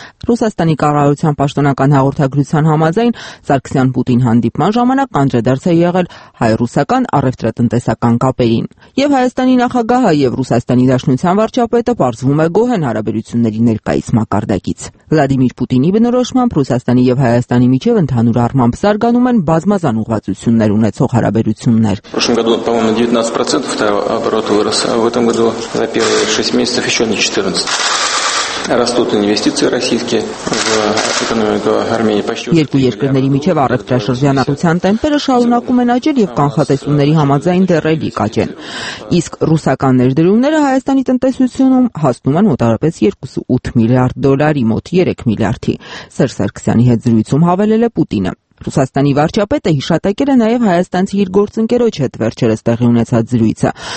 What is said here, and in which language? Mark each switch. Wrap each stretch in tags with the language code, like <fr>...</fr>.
<hy>Ռուսաստանի կառավարության պաշտոնական հաղորդագրության համաձայն, Սարգսյան-Պուտին հանդիպման ժամանակ անդրադարձ է եղել հայ-ռուսական առևտրատնտեսական կապերին։ Եվ Հայաստանի նախագահը եւ Ռուսաստանի Դաշնության վարչապետը պարզվում է գոհ են հարաբերությունների ներկայիս մակարդակից։ Վլադիմիր Պուտինի բնորոշմամբ Ռուսաստանի եւ Հայաստանի միջև ընդհանուր առմամբ զարգանում են բազմազան ուղղվածություններ ունեցող հարաբերություններ։</hy> <ru>Прошлом году, по-моему, 19% товара оборот вырос, а в этом году за первые 6 месяцев ещё не 14%. Растут инвестиции российские в экономику Армении по счёту.</ru> <hy>Երկու երկրների միջև առևտրաշրջանառության տեմպերը շարունակում են աճել եւ կանխատեսումների համաձայն դեռևի կաճեն։ Իսկ ռուսական ներդրումները Հայաստանի տնտեսությունում հասնում են մոտավորապես 2.8 միլիարդ դոլարի, մոտ 3 միլիարդի։ Սերժ Սարգսյանի հետ զրույցում հավելել է Պուտինը։ Ռուսաստանի վարչապետը հիշատակել է նաև հայաստանցի իր գործընկերոջ հետ վերջերս տեղի ունեցած զրույցը,</hy>